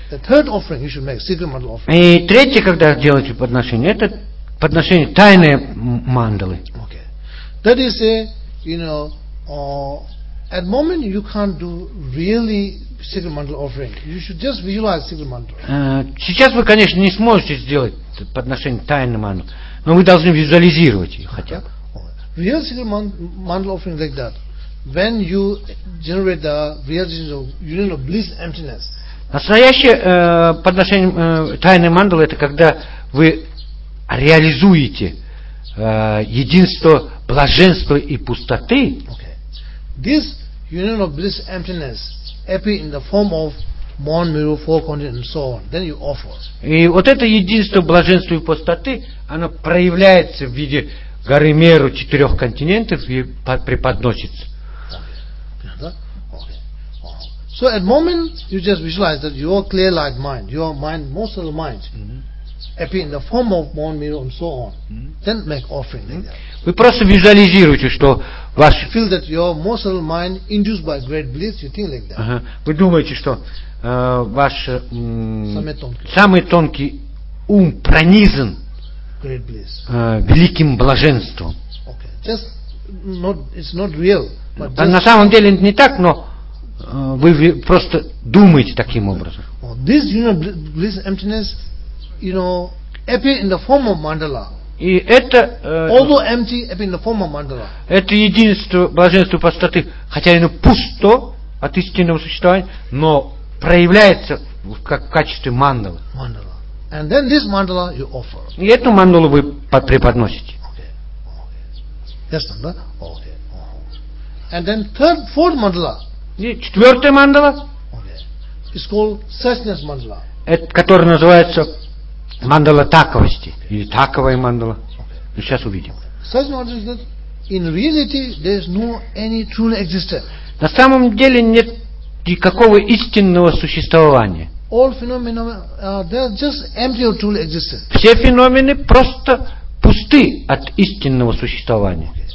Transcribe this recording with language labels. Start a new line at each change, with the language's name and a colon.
English: The third offering you should make, secret mandala offering.
Russian: И третье, когда делаете подношение, это подношение тайные мандалы.
English: Okay. That is a, you know, at moment you can't do really secret mandala offering. You should just visualize secret mandala.
Russian: Сейчас вы, конечно, не сможете сделать подношение тайным мандалам, но вы должны визуализировать их хотя бы.
English: Real secret mandala offering like that. When you generate the realization of union of bliss emptiness.
Russian: Настоящее подношение тайной мандалы — это когда вы реализуете единство блаженства и пустоты.
English: Okay. This union of bliss emptiness appears in the form of one mirror, four corners, and so on. Then you offer.
Russian: И вот это единство блаженства и пустоты, оно проявляется в виде горы Меру, четырех континентов, и преподносится.
English: So at moment you just visualize that your clear light mind, your mind, most of the mind, appear in the form of one mirror and so on. Then make offering like that.
Russian: Вы просто визуализируете, что ваш.
English: Feel that your most of the mind induced by great bliss, you think like that.
Russian: Вы думаете, что ваш самый тонкий ум пронизан
English: great bliss.
Russian: Великим блаженством.
English: Okay. Just not, it's not real. But
Russian: на самом деле не так, но вы просто думаете таким образом.
English: This union bliss emptiness, you know, appear in the form of mandala.
Russian: И это
English: although empty, appear in the form of mandala.
Russian: Это единство блаженства пустоты, хотя оно пусто от истинного существования, но проявляется как в качестве мандалы.
English: Mandala. And then this mandala you offer.
Russian: И эту мандалу вы преподносите.
English: Okay. Yes, да? Okay. And then third, fourth mandala.
Russian: И четвертая мандала,
English: okay. It's called suchness mandala.
Russian: Это, которая называется мандала таковости или таковая мандала. Okay. Сейчас увидим.
English: Such mandala is that in reality there is no any true existence.
Russian: На самом деле нет никакого истинного существования.
English: All phenomena they are just empty or true existence.
Russian: Все феномены просто пусты от истинного существования.